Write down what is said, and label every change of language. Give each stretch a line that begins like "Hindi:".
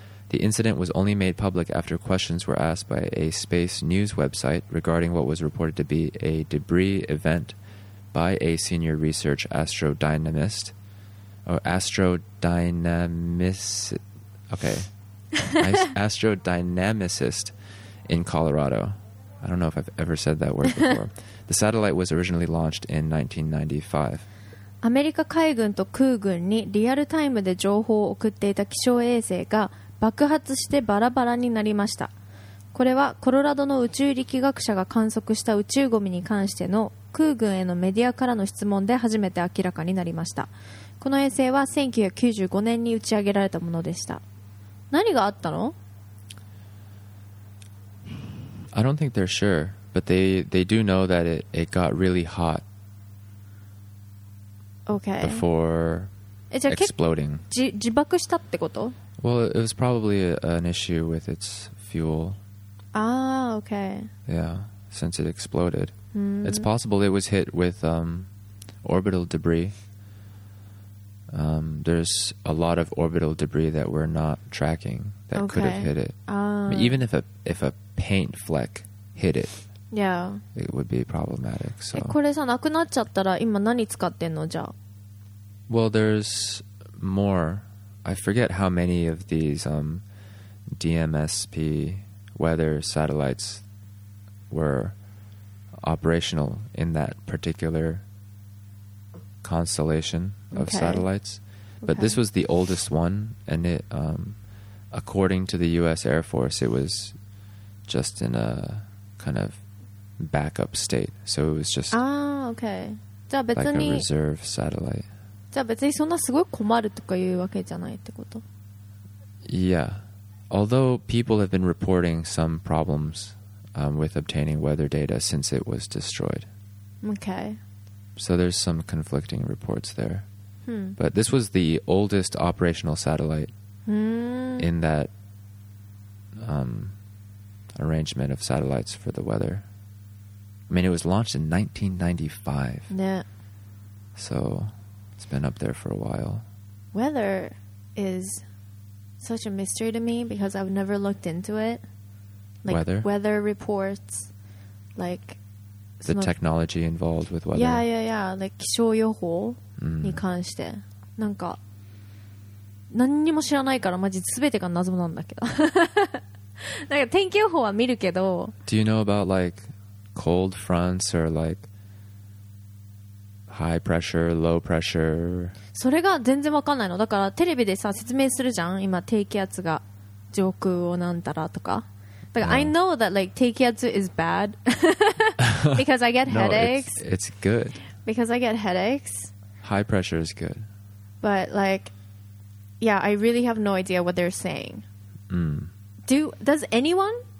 English: The incident was only made public after questions were asked by a space news website regarding what was reported to be a debris event by a senior research astrodynamist. Or astrodynamist. Okay. astrodynamicist in Colorado. I don't know if I've ever said that word before. The satellite was originally launched in 1995.
Japanese: アメリカ海軍と空軍にリアルタイムで情報を送っていた気象衛星が爆発してバラバラになりました。これはコロラドの宇宙力学者が観測した宇宙ゴミに関しての空軍へのメディアからの質問で初めて明らかになりました。この衛星は1995年に打ち上げられたものでした。何があったの?
English: I don't think they're sure, but they do know that it got really hot. Okay. Before exploding.
Japanese: 自爆したってこと?
English: Well, it was probably an issue with its fuel. Ah, okay. Yeah, since it exploded. Mm. It's possible it was hit with orbital debris. There's a lot of orbital debris that we're not tracking that、 could have hit it. Even if a paint fleck hit it, yeah, it would be problematic. So,
Japanese: これさなくなっちゃったら今何使ってんのじゃ?
English: Well, there's more. I forget how many of these DMSP weather satellites were operational in that particular constellation. Of okay. satellites, but okay. this was the oldest one, and it, according to the U.S. Air Force, it was just in a kind of backup state. So it was just okay. Like a reserve satellite.
Japanese: じゃあ別にそんなすごい困るとかいうわけじゃないってこと?
English: Yeah. Although people have been reporting some problems, with obtaining weather data since it was destroyed. Okay. So there's some conflicting reports there. Hmm. But this was the oldest operational satellite in that arrangement of satellites for the weather. I mean, it was launched in 1995. Yeah. So it's been up there for a while. Weather is such a mystery to me because I've never looked into it. Like weather? Weather reports, like the technology involved with weather. Yeah, yeah, yeah.
Japanese: Like 気象予報に関して、なんか何にも知らないからマジ全てが謎なんだけど。なんか天気予報は見るけど。
English: Do you know about like cold fronts or like high pressure, low pressure?
Japanese: それが全然わかんないの。だからテレビでさ説明するじゃん。今低気圧が上空をなんたらとか。
English: Like, I know that like 低気圧 is bad because I get headaches. No, it's good. Because I get headaches. High pressure is good. But like, yeah, I really have no idea what they're saying. Mm. Does anyone?